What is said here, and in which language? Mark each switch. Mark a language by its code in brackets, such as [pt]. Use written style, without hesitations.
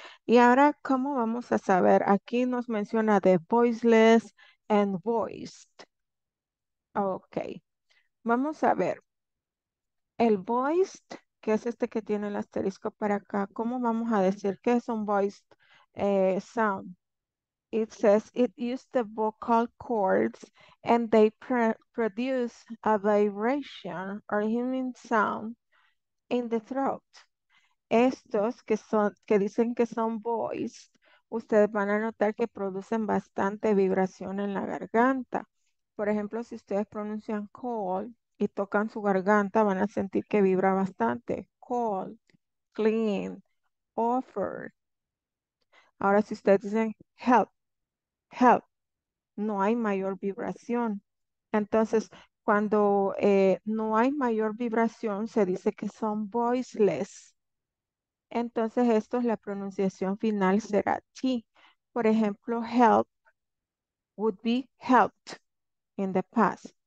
[es] Y ahora, ¿cómo vamos a saber? Aquí nos menciona de voiceless and voiced. Ok. Vamos a ver. El voiced, que es este que tiene el asterisco para acá. ¿Cómo vamos a decir qué es un voiced sound? [en] It says it uses the vocal cords and they produce a vibration or human sound in the throat. [es] Estos que son, que dicen que son voiced, ustedes van a notar que producen bastante vibración en la garganta. Por ejemplo, si ustedes pronuncian cold y tocan su garganta, van a sentir que vibra bastante. [en] Cold, clean, offer. [es] Ahora, si ustedes dicen help, help, no hay mayor vibración. Entonces, cuando no hay mayor vibración, se dice que son voiceless. Entonces, esto es la pronunciación final, será T. [en] Por ejemplo, help would be helped in the past.